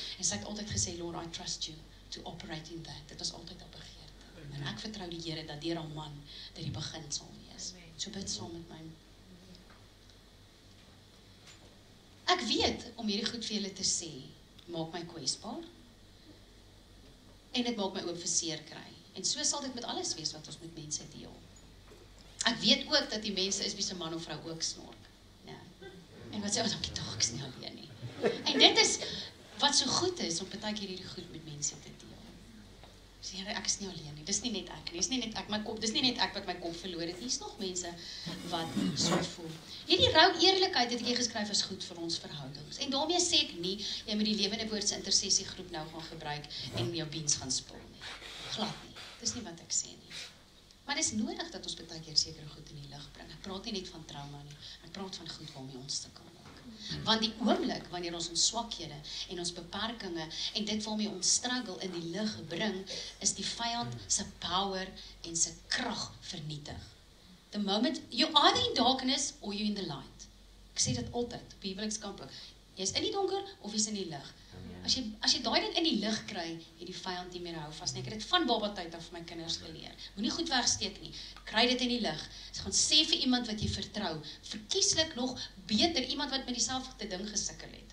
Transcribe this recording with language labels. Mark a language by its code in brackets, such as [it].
[af] En sy het altyd gesê, [en] Lord, I trust you to operate in that. [af] Dit was altyd op en ek vertrou die Here dat deur hom man dat die begin sal wees. So bid saam met my. Ek weet om hierdie goed vir julle te sê, maak my kwesbaar. En dit maak my oop vir seer kry. En so sal dit met alles wees wat ons met mense deel. Ek weet ook dat die mense is wie se man of vrou ook snork. Ja. En wat sê ons, dankie tog, ek is nie alleen nie. En dit is wat wat so goed is om baie keer hierdie goed met mense te deel. Sê Here, ek is nie alleen nie. Dis nie net ek nie. Dis nie net ek my kop. Dis nie net ek wat my kop verloor het. Hier's nog mense wat so voel. Hierdie rou eerlikheid het jy geskryf as goed vir ons verhoudings. En daarmee sê ek nie jy moet die lewende woord se intersessie groep nou gaan gebruik en jou beens gaan spul nie. Glad nie. Dis nie wat ek sê nie. Maar dis nodig dat ons baie keer sekere goed in die lig bring. Ek praat nie net van trauma nie. Ek praat van goed waarmee ons te kan maak. Want die oomblik wanneer ons swakhede en ons beperkinge en dit waarmee ons struggle in die lig bring, is die vyand se power en se krag vernietig. [en] The moment you are in darkness or you in the light. [af] Ek sê dit altyd op huwelikskamp. Jy is in die donker of jy's in die lig. As jy daai ding in die lig kry, het die vyand nie meer hou vas nie. Ek het dit van baba tyd af my kinders geleer. Moenie goed wegsteek nie. Kry dit in die lig. Jy gaan sê vir iemand wat jy vertrou, verkieslik nog beter iemand wat met dieselfde ding gesukkel het.